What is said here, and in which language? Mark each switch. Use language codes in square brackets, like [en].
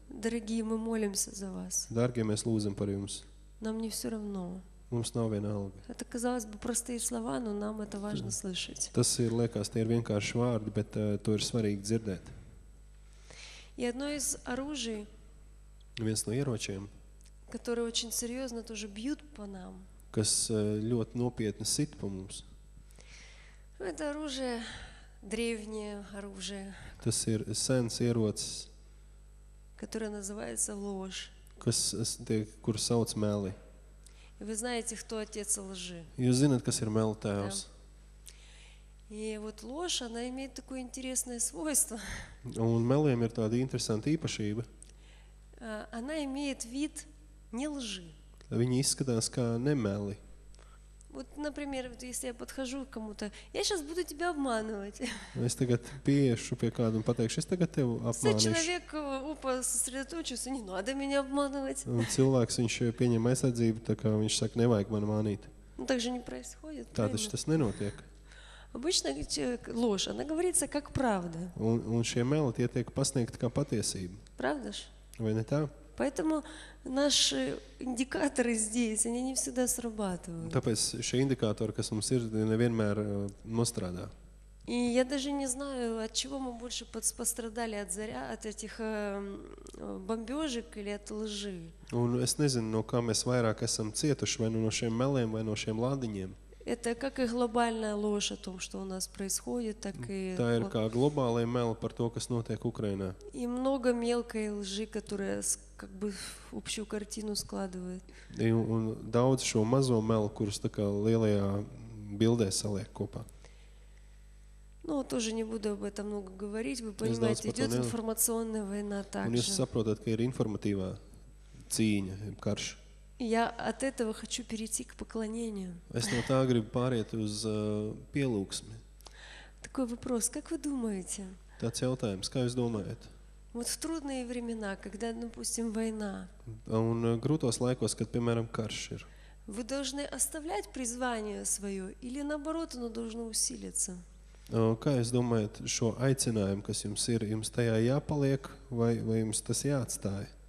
[ru] Дорогие, мы молимся за вас. [lv] Dargie, mēs lūdzam par jums. [ru] Нам не все равно. [lv] Mums nav vienalga. [ru] Это, казалось бы, простые слова, но нам это важно слышать. [lv] Tas ir, liekas, tie ir vienkārši vārdi, bet to ir svarīgi dzirdēt. [ru] И одно из оружий, [lv] viens no ieročiem, [ru] которые очень серьезно тоже бьют по нам, [lv] kas ļoti nopietni sit pa mums. [ru] Это оружие древнее оружие. [lv] Tas ir sens ierocis, [ru] которое называется ложь. [lv] Kas tiek, kur sauc meli. [ru] Вы знаете, кто отец лжи. [lv] Jūs zināt, kas ir meli tēvs. [ru] И вот ложь, она имеет такое интересное свойство. [lv] Un meliem ir tāda interesanta īpašība. [ru] Она имеет вид не лжи. [lv] Viņi izskatās kā nemeli. [ru] Вот, например, вот если я подхожу к кому-то, я сейчас буду тебя обманывать. [lv] Es tagad piešu pie kādu un pateikšu, es tagad tev apmānīšu. [ru] Все человек упа сосредоточился, не надо меня обманывать. [lv] Un cilvēks, viņš pieņem aizsardzību, tā kā viņš saka, nevajag mani mānīt. [ru] Ну так же не происходит. [lv] Tā taču tas nenotiek. [ru] Обычно человек ложь, она говорится как правда. [lv] Un šie meli tie tiek pasniegti kā patiesība. [ru] Правда ж? [lv] Vai ne tā? [ru] Поэтому наши индикаторы здесь, они не всегда срабатывают. [lv] Tāpēc šie indikātori, kas mums ir, nevienmēr nostrādā. [ru] И я даже не знаю, от чего мы больше пострадали от заря, от этих бомбежек или от лжи. [lv] Un es nezinu, no kā mēs vairāk esam cietuši, vai no šiem meliem, vai no šiem lādiņiem. [ru] Это как и глобальная ложь о том, что у нас происходит, так и... [lv] Tā ir kā globālai meli par to, kas notiek Ukrainā. [ru] И много мелкой лжи, которая как бы общую картину складывает. [lv] Un daudz šo mazo meli, kurus tā kā lielajā bildē saliek kopā. [ru] Ну, тоже не буду об этом много говорить, вы понимаете, идет информационная война также. [lv] Un jūs saprotat, ka ir informatīvā cīņa, karš. [ru] Я от этого хочу перейти к поклонению. [lv] Es no tā gribu pāriet uz pielūksmi. [ru] Такой вопрос, как вы думаете? [lv] Tāds jautājums, kā jūs domājat? [ru] Вот в трудные времена, когда, допустим, война. [lv] Un grūtos laikos, kad, piemēram, karš ir. [ru] Вы должны оставлять призвание свое или, наоборот, оно должно усилиться? [lv] Kā jūs domājat šo aicinājumu, kas jums ir, jums tajā jāpaliek vai jums tas jāatstāj?